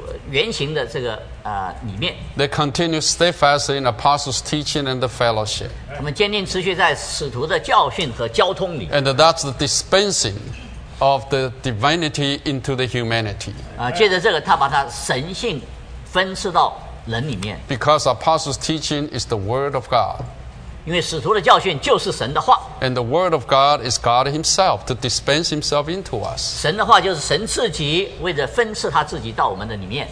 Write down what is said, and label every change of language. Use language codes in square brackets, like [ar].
[zh] 原型的这个里面。 [en] They continue steadfastly in apostles' teaching and the fellowship. [zh] 他们坚定持续在使徒的教训和交通里。 [en] And that's the dispensing of the divinity into the humanity. [zh] 借着这个，他把他神性分赐到人里面。 [en] Because apostles' teaching is the word of God. [zh] 因为使徒的教训就是神的话。 [en] And the word of God is God himself to dispense himself into us. [zh] 神的话就是神自己为着分赐他自己到我们的里面。